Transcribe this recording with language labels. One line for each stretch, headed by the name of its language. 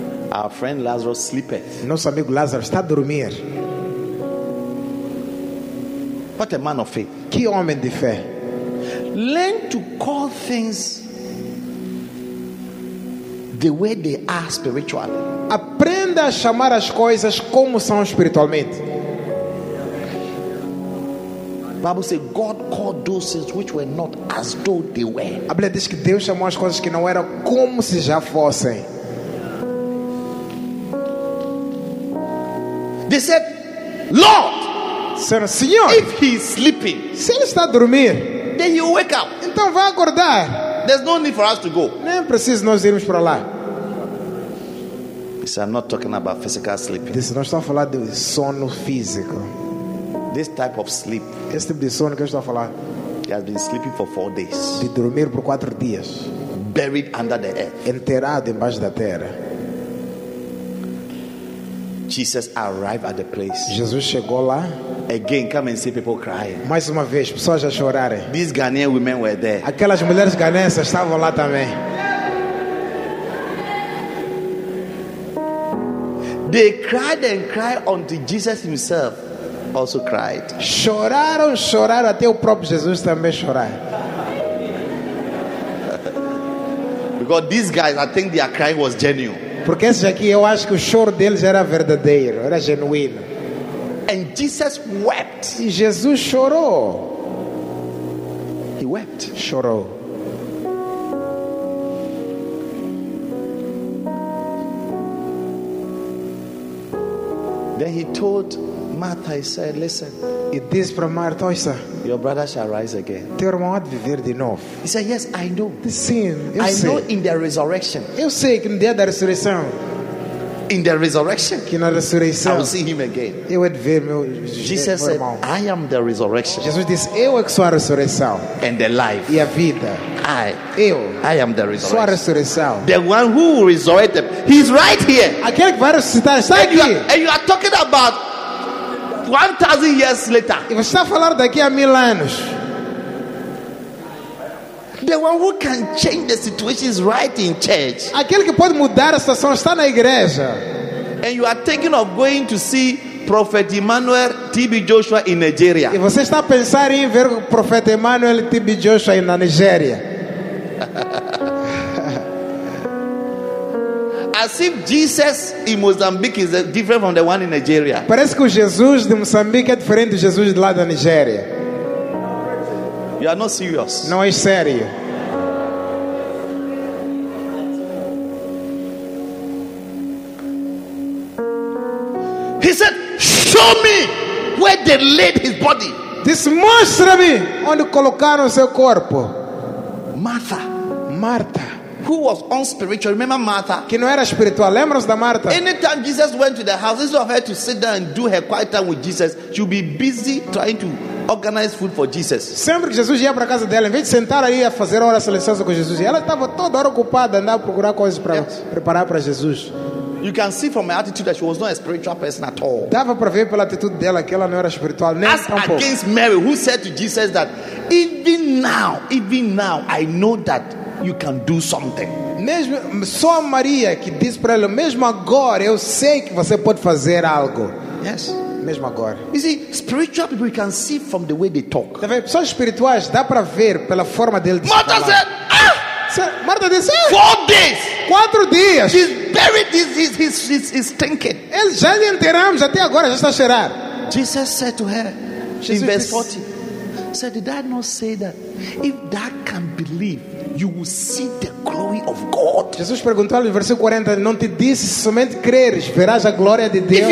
English: Our friend Lazarus sleepeth.
Portuguese: Nosso amigo Lázaro está a dormir.
English: What a man of faith.
Portuguese: Que homem de fé.
English: Learn to call things the way they are spiritually.
Portuguese: Aprenda a chamar as coisas como são espiritualmente.
English: Bible says God called those things which were not as though they were.
Portuguese: A Bíblia diz que Deus chamou as coisas que não eram como se já fossem.
English: They said, Lord,
Portuguese: Senhor,
English: if he's sleeping,
Portuguese: se ele está a dormir,
English: then he'll wake up.
Portuguese: Então vai acordar.
English: There's no need for us to go.
Portuguese: Nem precisa nós irmos para lá.
English: I'm not talking about physical sleeping. This is not a
Portuguese: falar de sono físico.
English: This type of sleep.
Portuguese: Este tipo de sono que eu estou a falar.
English: He has been sleeping for 4 days.
Portuguese: De dormir por 4 dias.
English: Buried under the earth.
Portuguese: Enterrado embaixo da terra.
English: Jesus arrived at the place.
Portuguese: Jesus chegou lá.
English: Again, come and see people crying.
Portuguese: Mais uma vez, pessoas a chorarem.
English: These Ghanaian women were there.
Portuguese: Aquelas mulheres ghanesas estavam lá também.
English: They cried and cried until Jesus himself also cried.
Portuguese: Choraram, choraram até o próprio Jesus também chorar.
English: Because these guys, I think their cry was genuine.
Portuguese: Porque esses aqui, eu acho que o choro deles era verdadeiro, era genuíno.
English: And Jesus wept.
Portuguese: E Jesus chorou.
English: He wept.
Portuguese: Chorou.
English: Then he told Martha, he said, listen.
Portuguese: E disse para Marta, ouça.
English: Your brother shall rise again.
Portuguese: Teu irmão há de viver de novo.
English: He said, yes, I know.
Portuguese: Sim, eu
English: I
Portuguese: sei.
English: Know in the resurrection.
Portuguese: Eu sei que no dia da ressurreição.
English: In the resurrection.
Portuguese: Que na ressurreição.
English: I will see him again.
Portuguese: Eu vou ver meu
English: Jesus
Portuguese: meu irmão.
English: Said, I am the resurrection.
Portuguese: Jesus disse, eu é que sou a ressurreição.
English: And the life.
Portuguese: E a vida.
English: I am the resurrection.
Portuguese: Sou a ressurreição.
English: The one who will resurrect them. He's right here.
Portuguese: Aquele que vai ressuscitar está aqui.
English: And you are talking about 1,000 years later.
Portuguese: E você está falando daqui a 1,000 anos.
English: The one who can change the situation is right in church.
Portuguese: Aquele que pode mudar a situação está na igreja.
English: And you are thinking of going to see Prophet Emmanuel T.B. Joshua in Nigeria.
Portuguese: E você está pensando em ver o Profeta Emmanuel T.B. Joshua na Nigéria.
English: As if Jesus in Mozambique is different from the one in Nigeria.
Portuguese: Parece que o Jesus de Moçambique é diferente do Jesus de lá da Nigéria.
English: You are not serious.
Portuguese: Não é sério.
English: He said, show me where they laid his body.
Portuguese: Mostra-me onde colocaram o seu corpo.
English: Martha.
Portuguese: Martha.
English: Who was unspiritual? Remember Martha?
Portuguese: Que não era espiritual. Lembra-se da Martha?
English: Anytime Jesus went to the house, instead of her to sit down and do her quiet time with Jesus, she'll be busy trying to organize food for Jesus.
Portuguese: Sempre que Jesus ia para casa dela, em vez de sentar ali a fazer hora silenciosa com Jesus, ela estava toda hora ocupada andando a procurar coisas para preparar para Jesus.
English: You can see from her attitude that she was not a spiritual person at all.
Portuguese: Dava para ver pela atitude dela que ela não era espiritual nem
English: as
Portuguese: tampouco.
English: Against Mary, who said to Jesus that even now I know that you can do something.
Portuguese: Mesmo só a Maria que disse para ele, mesmo agora eu sei que você pode fazer algo.
English: Yes.
Portuguese: Mesmo agora.
English: You see, spiritual people, you can see from the way they talk.
Portuguese: Pessoas espirituais dá para ver pela forma dele de
English: Martha
Portuguese: falar.
English: Said,
Portuguese: Martha disse, ah!
English: 4 days.
Portuguese: 4 dias.
English: She's buried. He's thinking.
Portuguese: Ele já lhe enterramos até agora já está a cheirar.
English: Jesus said to her, Jesus in verse 40, said, did I not say that if thou can believe, you will see the glory of God?
Portuguese: Jesus perguntou-lhe no versículo 40, não te disse somente creres, verás a glória de Deus?